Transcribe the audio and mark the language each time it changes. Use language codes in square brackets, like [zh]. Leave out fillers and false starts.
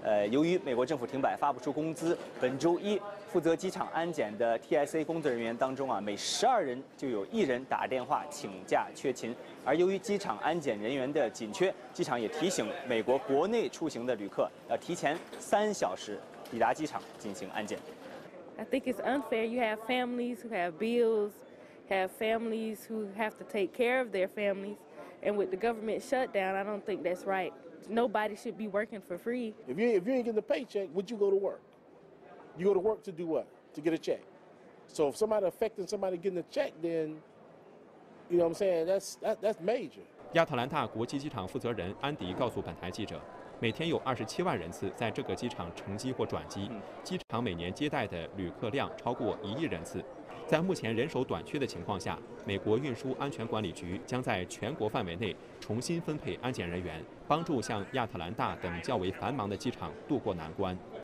[zh] 由于美国政府停摆发不出工资，本周一负责机场安检的 TSA 工作人员当中啊，每12人就有1人打电话请假缺勤。而由于机场安检人员的紧缺，机场也提醒美国国内出行的旅客要提前3小时抵达机场进行安检。 [en] I think it's unfair. You have families who have bills, have families who have to take care of their families, and with the government shut down, I don't think that's right. Nobody should be working for free. If you ain't getting the paycheck, would you go to work? You go to work to do what? To get a check. So if somebody affecting somebody getting a check, then you know what I'm saying? That's major. [zh] 亚特兰大国际机场负责人安迪告诉本台记者。每天有27万人次在这个机场乘机或转机，机场每年接待的旅客量超过1亿人次。在目前人手短缺的情况下，美国运输安全管理局将在全国范围内重新分配安检人员，帮助像亚特兰大等较为繁忙的机场渡过难关。